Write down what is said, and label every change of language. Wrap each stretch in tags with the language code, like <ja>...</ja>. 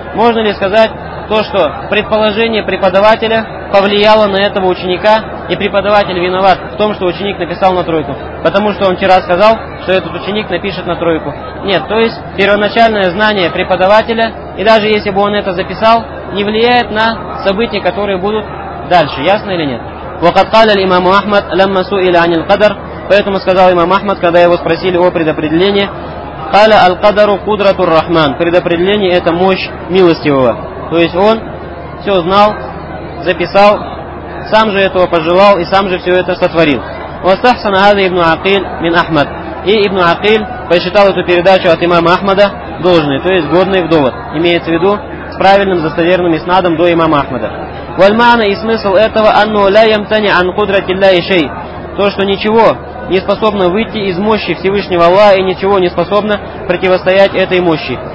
<ru>Можно ли сказать то, что предположение преподавателя повлияло на этого ученика, и преподаватель виноват в том, что ученик написал на тройку, потому что он вчера сказал, что этот ученик напишет на тройку? Нет, то есть первоначальное знание преподавателя И даже если бы он это записал, не влияет на события, которые будут дальше. Ясно или нет?</ru> <ar>وقد قال الإمام أحمد لما سئل عن القدر.</ar> <ru>Поэтому сказал имам Ахмад, когда его спросили о предопределении,</ru> <ar>قال القدر قدرة الرحمن.</ar> <ru>Предопределение — это мощь милостивого. То есть он все знал, записал, сам же этого пожелал и сам же все это сотворил.</ru> <ar>واستحسن هذا ابن عقيل من أحمد.</ar> <ru>И ибн Акиль посчитал эту передачу от имама Ахмада должной, то есть годной в довод. Имеется в виду с правильным, достоверным иснадом до имама Ахмада.</ru> <ar>Вальмана,</ar> <ru>и смысл этого,</ru> <ar>анну ля ямтани ан кудрати ляй шей.</ar> <ru>То, что ничего не способно выйти из мощи Всевышнего Аллаха и ничего не способно противостоять этой мощи.</ru>